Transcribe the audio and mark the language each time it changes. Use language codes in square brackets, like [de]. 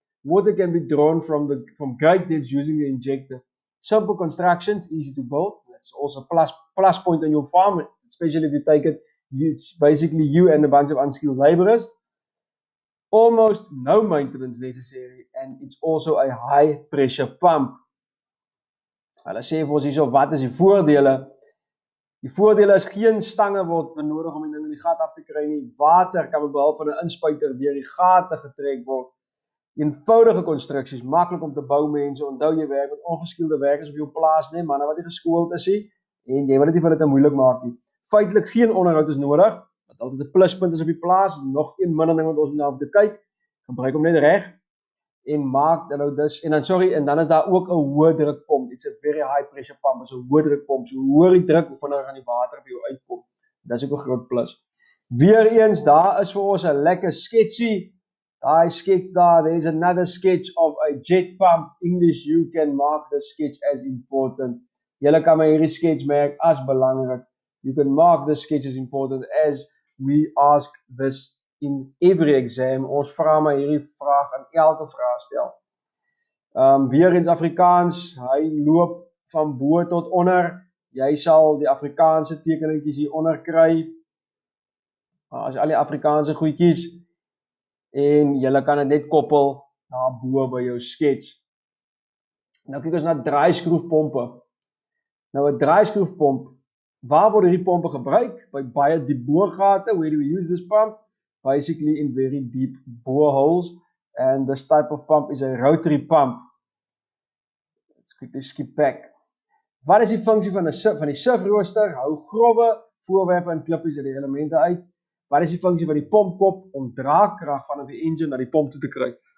[en] Water can be drawn from great depths using the injector. Simple constructions, easy to build. That's also plus point on your farm, especially if you take it. It's basically you and a bunch of unskilled laborers. Almost no maintenance necessary, and it's also a high pressure pump. [af] Hulle sê vir ons hierso, wat is die voordele? Die voordele is geen stange word benodig om die ding in die gat af te kry nie. Water kan behalwe van 'n inspuiter deur die gate getrek word. Eenvoudige konstruksies, maklik om te bou mense. Onthou jy werk met ongeskoelde werkers op jou plaas nie, manne wat nie geskoold is nie en jy wil dit nie vir hulle te moeilik maak nie. Feitelik geen onderhoud is nodig, wat altyd 'n pluspunt is op die plaas. Nog een minder ding wat ons na te kyk. Gebruik hom net reg. En maak dan nou dus, en dan sorry, en dan is daar ook 'n hoë druk pomp. [en] It's a very high pressure pump, [af] is 'n hoë druk pomp. So hoër die druk, hoe vinniger gaan die water op jou uitkom. Dit is ook 'n groot plus. Weereens, daar is vir ons 'n lekker sketsie. Daai skets daar, [en] there's another sketch of a jet pump. English, you can mark the sketch as important. [af] Julle kan my hierdie sketch merk as belangrik. [en] You can mark the sketch as important as we ask this in every exam. [af] Ons vra my hierdie vraag in elke vraestel. Weer eens Afrikaans, hy loop van bo tot onder. Jy sal die Afrikaanse tekeningetjies hier onder kry. As al die Afrikaanse goedjies en jy kan dit net koppel na bo by jou skets. Nou kyk ons na draaiskroefpompe. Nou 'n draaiskroefpomp. Waar word hierdie pompe gebruik? By baie diep boorgate. [en] Where do we use this pump? Basically in very deep boreholes. And this type of pump is a rotary pump. Let's skip back. [af] Wat is die funksie van die sifrooster? Hou grove voorwerpe en klippies uit die elemente uit. Wat is die funksie van die pompkop om draagkrag van die engine na die pomp toe te kry?